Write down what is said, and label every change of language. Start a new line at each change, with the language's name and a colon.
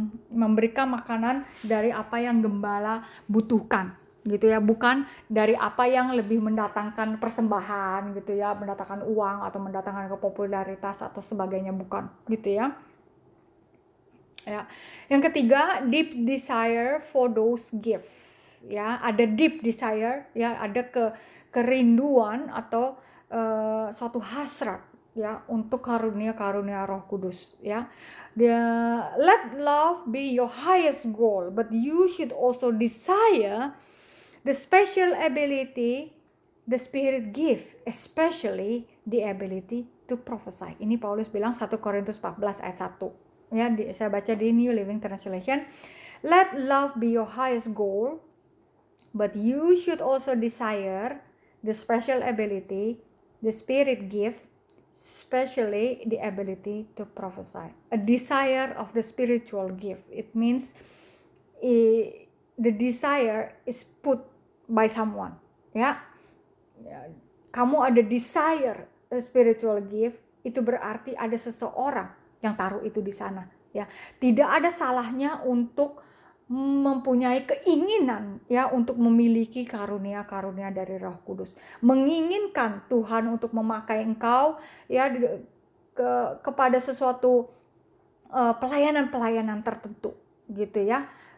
Indonesian: Memberikan makanan dari apa yang gembala butuhkan gitu ya, bukan dari apa yang lebih mendatangkan persembahan gitu ya, mendatangkan uang atau mendatangkan kepopularitas atau sebagainya, bukan gitu ya. Ya. Yang ketiga,
English: deep desire for those gifts.
Indonesian: Ya, ada deep desire, ya, ada kerinduan atau suatu hasrat ya untuk karunia-karunia Roh Kudus, ya.
English: Dia, let love be your highest goal, but you should also desire the special ability the Spirit give, especially the ability to prophesy.
Indonesian: Ini Paulus bilang 1 Korintus 14 ayat 1. Ya, saya baca di New Living Translation.
English: Let love be your highest goal, but you should also desire the special ability, the spirit gift, especially the ability to prophesy. A desire of the spiritual gift. It means the desire is put by someone.
Indonesian: Ya, kamu ada desire a spiritual gift, itu berarti ada seseorang yang taruh itu di sana. Ya, tidak ada salahnya untuk mempunyai keinginan ya untuk memiliki karunia-karunia dari Roh Kudus, menginginkan Tuhan untuk memakai engkau ya kepada sesuatu pelayanan-pelayanan tertentu gitu ya.